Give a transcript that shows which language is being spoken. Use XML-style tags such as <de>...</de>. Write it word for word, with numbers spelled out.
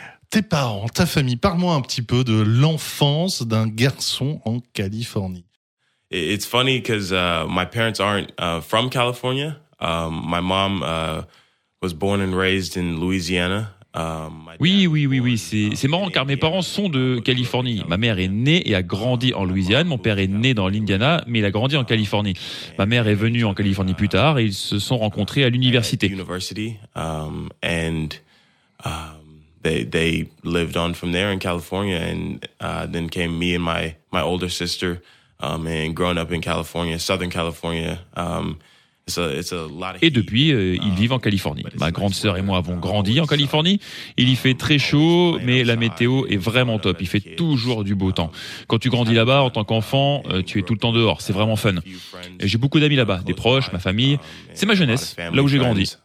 <fr>Tes parents, ta famille, parle-moi un petit peu de l'enfance d'un garçon en Californie.</fr> <en>It's funny because uh, my parents aren't uh, from California. Um, my mom uh, was born and raised in Louisiana. Um,</en> <fr>oui, oui, oui, oui, c'est, c'est marrant car mes parents sont de Californie. Ma mère est née et a grandi en Louisiane. Mon père est né dans l'Indiana, mais il a grandi en Californie. Ma mère est venue en Californie plus tard et ils se sont rencontrés à l'université.</fr> <en>University, um, and um, they they lived on from there in California, and uh, then came me and my my older sister. um, and growing up in California, Southern California. Um, it's a, it's a lot of</en> <fr>et depuis, euh, ils vivent en Californie. Ma grande sœur et moi avons grandi en Californie. Il y fait très chaud, mais la météo est vraiment top. Il fait toujours du beau temps. Quand tu grandis là-bas, en tant qu'enfant, euh, tu es tout le temps dehors. C'est vraiment fun. Et j'ai beaucoup d'amis là-bas, des proches, ma famille. C'est ma jeunesse, là où j'ai grandi.</fr>